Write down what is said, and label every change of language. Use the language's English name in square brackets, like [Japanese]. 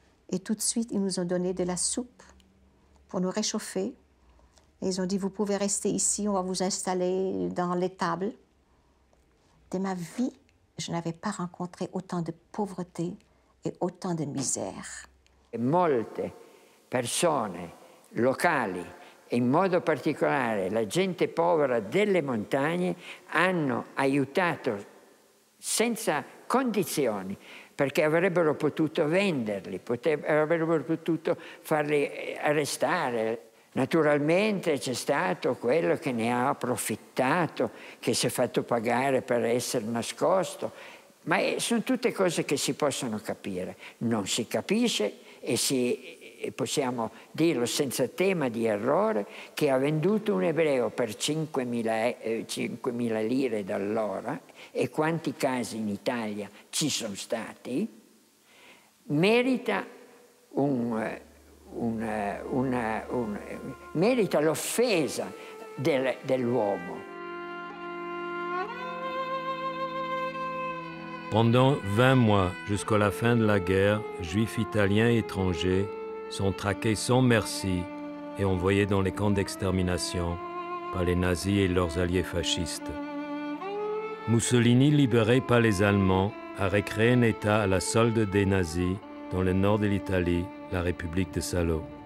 [French] Et tout de suite, ils nous ont donné de la soupe pour nous réchauffer. Et ils ont dit, vous pouvez rester ici, on va vous installer dans l'étable. De ma vie, je n'avais pas rencontré autant de pauvreté et autant de misère. [Italian] Et molte persone locali, in modo particolare la gente povera delle montagne, hanno aiutato senza condizioni, perché avrebbero potuto venderli, avrebbero potuto farli arrestare. Naturalmente c'è stato quello che ne ha approfittato, che si è fatto pagare per essere nascosto, ma sono tutte cose che si possono capire. Non si capisce e si... E possiamo dirlo senza tema di errore, che ha venduto un ebreo per 5.000 lire dall'ora, e quanti casi in Italia ci sono stati, merita merita l'offesa dell'uomo. [French] Pendant 20 mois, jusqu'à la fin de la guerre, juifs italiens et étrangers sont traqués sans merci et envoyés dans les camps d'extermination par les nazis et leurs alliés fascistes. Mussolini, libéré par les Allemands, a recréé un État à la solde des nazis dans le nord de l'Italie, la République de Salo.